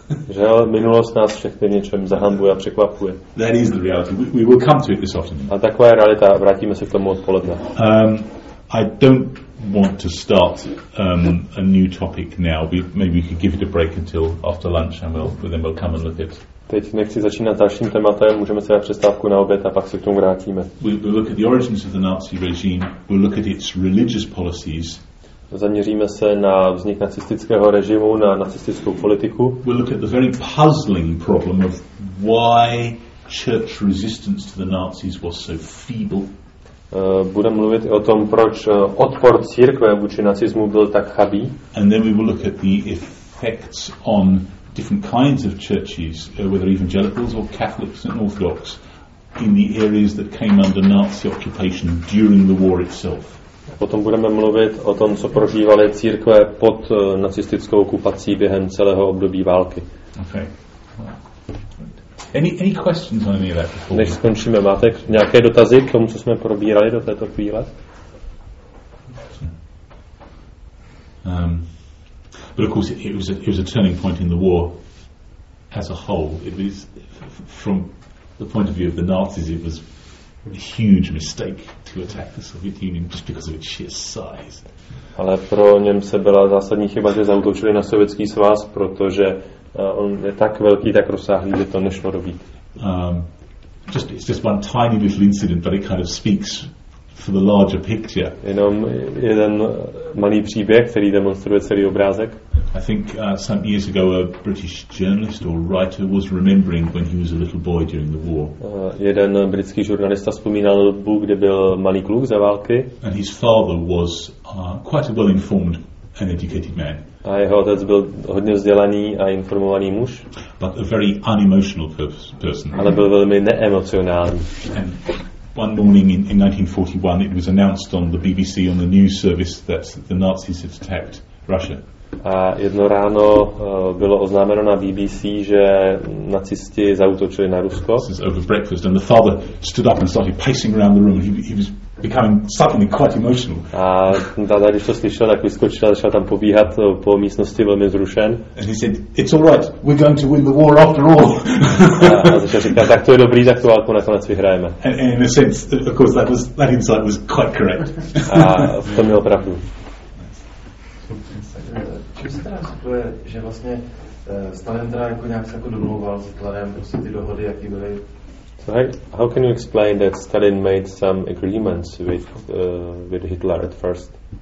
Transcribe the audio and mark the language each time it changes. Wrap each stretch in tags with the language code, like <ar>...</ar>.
<cs>Že minulost nás všechny něčem zahambuje a překvapuje.</cs> <en>That is the reality. We will come to it this afternoon.</en> <cs>A taková je realita. Vrátíme se k tomu odpoledne.</cs> <en>I don't want to start a new topic now. Maybe we could give it a break until after lunch, and we'll come and look at.</en> <cs>Teď nechci začínat dalším tématem. Můžeme si dát přestávku na oběd a pak se k tomu vrátíme.</cs> <en>We'll look at the origins of the Nazi regime. We'll look at its religious policies.</en> <cs>Zaměříme se na vznik nacistického režimu, na nacistickou politiku.</cs> <en>We'll look at the very puzzling problem of why church resistance to the Nazis was so feeble.</en> <cs>Budeme mluvit o tom, proč odpor církve vůči nacismu byl tak chabý.</cs> <en>And then we will look at the effects on different kinds of churches, whether evangelicals or Catholics and Orthodox, in the areas that came under Nazi occupation during the war itself.</en> <cs>Potom budeme mluvit o tom, co prožívaly církve pod nacistickou okupací během celého období války.</cs> <en>Okay. Any questions on any of that before?</en> <cs>Než skončíme, máte nějaké dotazy k tomu, co jsme probírali do této chvíle?</cs> <en>But of course it was a turning point in the war as a whole. It was, from the point of view of the Nazis, it was a huge mistake to attack the Soviet Union just because of its sheer size.</en> <cs>Ale pro Němce byla zásadní chyba, že zaútočili na Sovětský svaz, protože on je tak velký, tak rozsáhlý, že to nešlo dobít.</cs> <en>It's just one tiny little incident, but it kind of speaks for the larger picture.</en> <cs>Jenom jeden malý příběh, který demonstruje celý obrázek.</cs> <en>I think some years ago a British journalist or writer was remembering when he was a little boy during the war.</en> <cs>Jeden britský žurnalista vzpomínal dobu, kdy byl malý kluk za války.</cs> <en>And his father was quite a well-informed and educated man.</en> <cs>A jeho otec byl hodně vzdělaný a informovaný muž.</cs> <en>But a very unemotional person.</en> <cs>Ale byl velmi neemocionální.</cs> <en>One morning in 1941 it was announced on the BBC on the news service that the Nazis had attacked Russia.</en> <cs>A jedno ráno bylo oznámeno na BBC, že nacisti zaútočili na Rusko.</cs> <en>This is over breakfast and the father stood up and started pacing around the room. He was becoming suddenly quite emotional.</en> <cs>A táta, když to slyšel, tak vyskočil a začal tam pobíhat po místnosti velmi zrušen.</cs> <en>And he said, "It's all right. We're going to win the war after all."</en> <cs>A začal říkat, tak to je dobrý, tak tu válku nakonec vyhrajeme.</cs> <en>And in a sense, of course, that insight was quite correct.</en> <cs>A v tom měl pravdu. Čím se teda situuje, že vlastně Stalin teda jako nějak se jako domlouval s Hitlerem, prostě ty dohody, jaký byly.</cs> <en>So how can you explain that Stalin made some agreements with Hitler at first?</en>